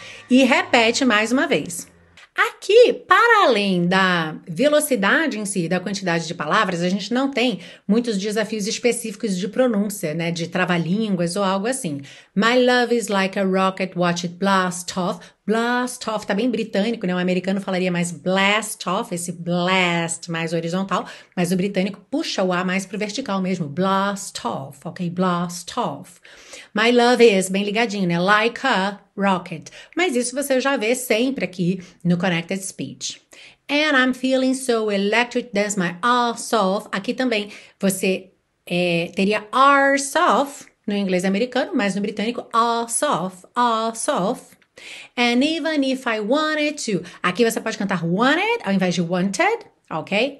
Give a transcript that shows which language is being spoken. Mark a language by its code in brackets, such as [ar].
[pt] E repete mais uma vez. Aqui, para além da velocidade em si, da quantidade de palavras, a gente não tem muitos desafios específicos de pronúncia, né? De trava-línguas ou algo assim. [en] My love is like a rocket, watch it blast off. Blast off, [pt] tá bem britânico, né? O americano falaria mais [en] blast off, [pt] esse blast mais horizontal, mas o britânico puxa o A mais pro vertical mesmo. [en] Blast off, ok? Blast off. My love is, [pt] bem ligadinho, né? [en] Like a rocket. [pt] Mas isso você já vê sempre aqui no Connected Speech. [en] And I'm feeling so electric, that's my ass off. [pt] Aqui também você teria [en] arse off [pt] no inglês americano, mas no britânico, [en] ass off, ass off. And even if I wanted to, [pt] aqui você pode cantar wanted ao invés de wanted, ok?